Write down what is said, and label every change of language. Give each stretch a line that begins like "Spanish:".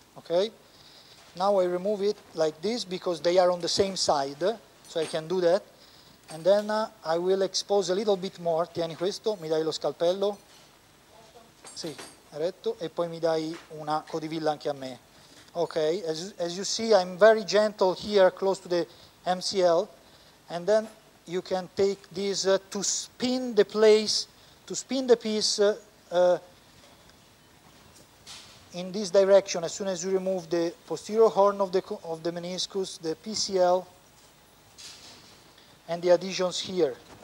English: Okay, now I remove it like this because they are on the same side, so I can do that. And then I will expose a little bit more.
Italian: Tieni questo, mi dai lo scalpello. Sì, retto, e poi mi dai una codivilla anche a me.
English: Okay, as you see, I'm very gentle here close to the MCL. And then you can take this to spin the place, to spin the piece in this direction. As soon as you remove the posterior horn of the meniscus, the PCL, and the adhesions here.